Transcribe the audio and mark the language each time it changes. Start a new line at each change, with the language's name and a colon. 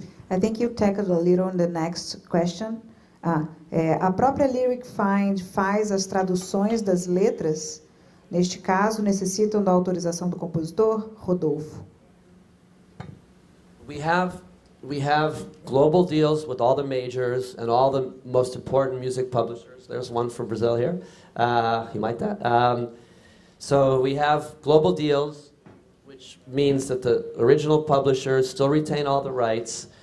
English: I think you tackled a little on the next question.
Portuguese: A própria Lyric Find faz as traduções das letras? Neste caso, necessitam da autorização do compositor, Rodolfo?
English: We have global deals with all the majors and all the most important music publishers. There's one from Brazil here. You might that. So we have global deals, which means that the original publishers still retain all the rights.